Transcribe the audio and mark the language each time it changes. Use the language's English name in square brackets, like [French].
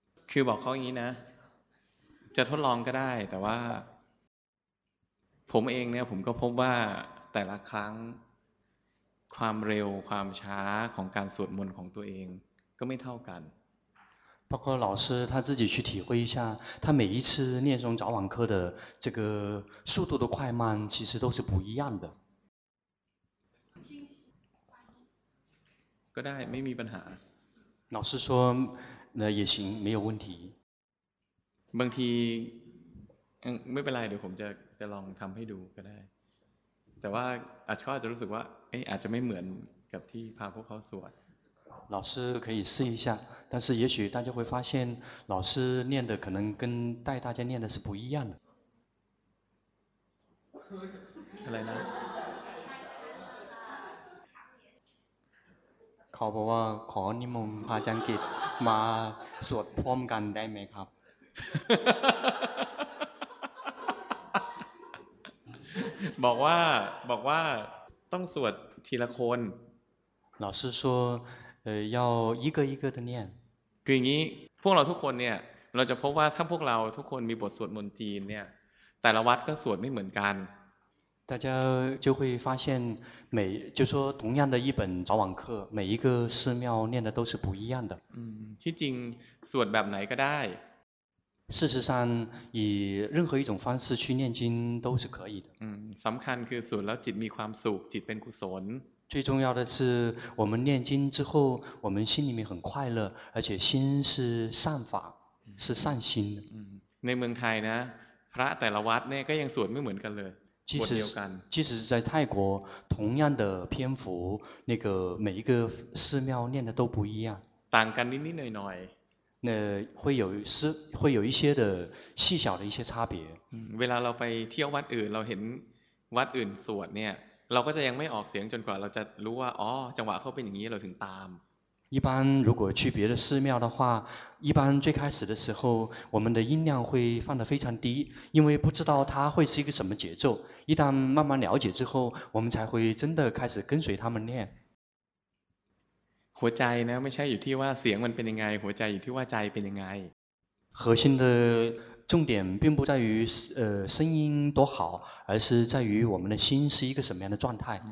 [Thai] คือบอกเขาอย่างนี้นะจะทดลองก็ได้แต่ว่าผมเองเนี่ยผมก็พบว่าแต่ละครั้งความเร็วความช้าของการสวดมนต์ของตัวเองก็ไม่เท่ากัน [Chinese] 包括老师他自己去体会一下他每一次念诵早晚课的这个速度的快慢其实都是不一样的 [Thai] ก็ได้ไม่มีปัญหา [Chinese] 老师说那也行没有问题 [Thai] บางทีไม่เป็นไรเดี๋ยวผมจะลองทำให้ดูก็ได้แต่ว่าอาจจะรู้สึกว่าอาจจะไม่เหมือนกับที่พาพวกเขาสวด [Chinese] 老师可以试一下但是也许大家会发现老师念的可能跟带大家念的是不一样的 [Thai] อะไรนะ เขาบอกว่าขอนิมนต์พระอาจารย์กิจมาสวดพร้อมกันได้ไหมครับ บอกว่าต้องสวดทีละคน [Chinese] 老师说要一个一个的念 [Thai] คืออย่างนี้พวกเราทุกคนเนี่ยเราจะพบว่าถ้าพวกเราทุกคนมีบทสวดมนต์จีนเนี่ยแต่ละวัดก็สวดไม่เหมือนกัน [Chinese] 大家就会发现每就说同样的一本早晚课每一个寺庙念的都是不一样的 [Thai] ที่จริงสวดแบบไหนก็ได้ [Chinese] 事实上以任何一种方式去念经都是可以的 [Thai] สำคัญคือสวดแล้วจิตมีความสุขจิตเป็นกุศล [Chinese] 最重要的是我们念经之后我们心里面很快乐而且心是善法是善心的 [Thai] ในเมืองไทยนะพระแต่ละวัดเนี่ยก็ยังสวดไม่เหมือนกันเลย [Chinese] 即使在泰国同样的篇幅那个每一个寺庙念的都不一样 [Thai] ต่างกันนิดนิดหน่อยหน่อย [Chinese] 那会有一些的细小的一些差别 [Thai] เวลาเราไปเที่ยววัดอื่นเราเห็นวัดอื่นสวดเนี่ยเราก็จะยังไม่ออกเสียงจนกว่าเราจะรู้ว่าอ๋อจังหวะเขาเป็นอย่างนี้เราถึงตาม [Chinese] 一般如果去别的寺庙的话一般最开始的时候我们的音量会放得非常低因为不知道它会是一个什么节奏一旦慢慢了解之后我们才会真的开始跟随他们念 [Thai] หัวใจนะไม่ใช่อยู่ที่ว่าเสียงมันเป็นยังไงหัวใจอยู่ที่ว่าใจเป็นยังไง [Chinese] 核心的重点并不在于声音多好而是在于我们的心是一个什么样的状态